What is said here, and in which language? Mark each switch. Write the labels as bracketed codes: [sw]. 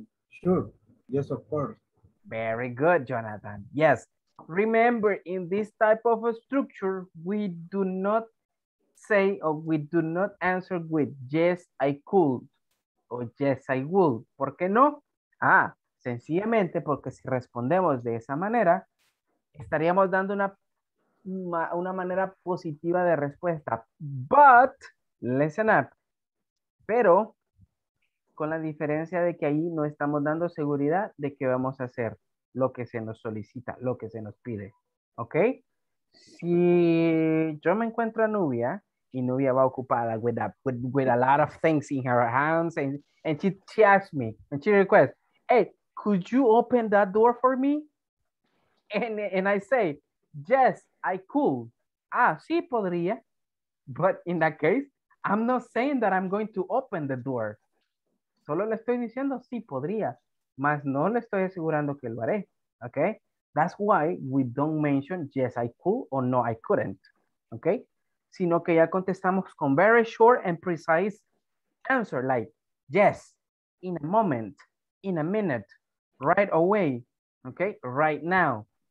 [en] Sure, yes, of course. Very good, Jonathan, yes. Remember, in this type of a structure, we do not say or we do not answer with "yes, I could" or "yes, I would." [es] ¿Por qué no? Sencillamente porque si respondemos de esa manera, estaríamos dando una manera positiva de respuesta. [en] But, listen up, [es] pero con la diferencia de que ahí no estamos dando seguridad de qué vamos a hacer. Lo que se nos solicita, lo que se nos pide. ¿Ok? Si yo me encuentro a Nubia y Nubia va ocupada [en] with a lot of things in her hands and she asks me and she requests, "Hey, could you open that door for me?" And I say, "Yes, I could." [es] Sí podría. [en] But in that case, I'm not saying that I'm going to open the door. [es] Solo le estoy diciendo, sí podría. Mas no le estoy asegurando que lo haré, okay? [en] That's why we don't mention "yes, I could" or "no, I couldn't," okay? [es] Sino que ya contestamos con [en] very short and precise answer, like "yes, in a moment, in a minute, right away," okay? "Right now."